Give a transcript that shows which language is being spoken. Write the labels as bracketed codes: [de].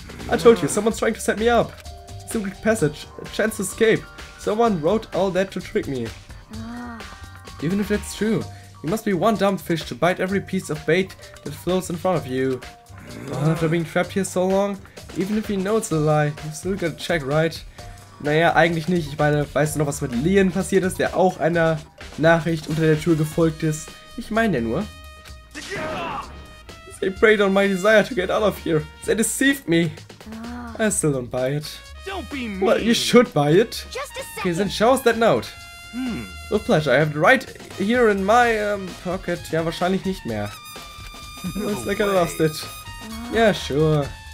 [en] I told you, someone's trying to set me up. Secret passage. A chance to escape. Someone wrote all that to trick me. Even if that's true, you must be one dumb fish to bite every piece of bait that floats in front of you. Well, after being trapped here so long, even if you know it's a lie, you still gotta check, right? [de] Naja, eigentlich nicht. Ich meine, weißt du noch, was mit Leon passiert ist, der auch einer Nachricht unter der Tür gefolgt ist? Ich meine nur. [en] They preyed on my desire to get out of here. They deceived me. I still don't buy it. Don't be mean. Well, you should buy it. Just a second. Okay, then show us that note. With pleasure, I have it right here in my pocket. [de] Ja, wahrscheinlich nicht mehr. [en] Looks like I lost it. Yeah, sure.